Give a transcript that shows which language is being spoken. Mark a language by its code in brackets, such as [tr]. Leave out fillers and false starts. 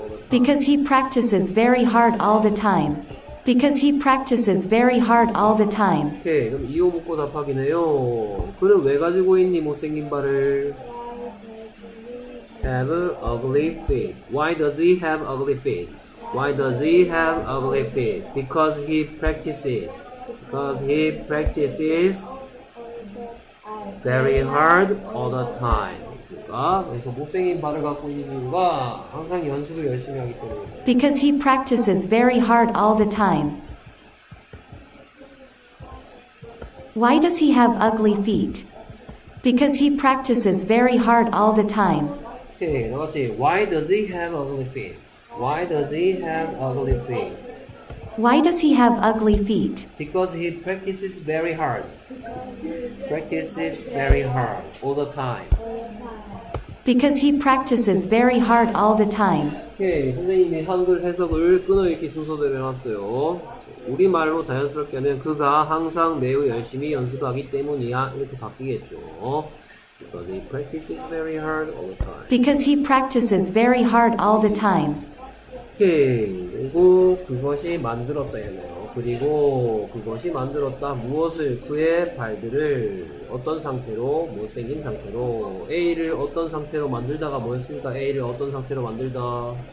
[en] Because he practices very hard all the time. Because he practices very hard all the time. [ko] 오케이, 그럼 이어 묻고 답하기네요. 그는 왜 가지고 있니 못생긴 발을? [en] Have ugly feet. Why does he have ugly feet? Why does he have ugly feet? Because he practices. Because he practices very hard all the time. [ko] 그래서 못생긴 발을 갖고 있는 이유가 항상 연습을 열심히 하기 때문에. [en] Because he practices very hard all the time. Why does he have ugly feet? Because he practices very hard all the time. Okay, why does he have ugly feet? Why does he have ugly feet? Why does he have ugly feet? Because he practices very hard. Practices very hard all the time. Because he practices very hard all the time. [ko] Okay, 선생님이 한글 해석을 끊어읽기 순서대로 해놨어요. 우리 말로 자연스럽게는 그가 항상 매우 열심히 연습하기 때문이야 이렇게 바뀌겠죠. [en] Because he practices very hard all the time. Because he practices very hard all the time. [ko] 오케이, 그리고 그것이 만들었다 했네요. 그리고 그것이 만들었다 무엇을 그의 발들을 어떤 상태로 못생긴 상태로 A를 어떤 상태로 만들다가 뭐였습니까? A를 어떤 상태로 만들다?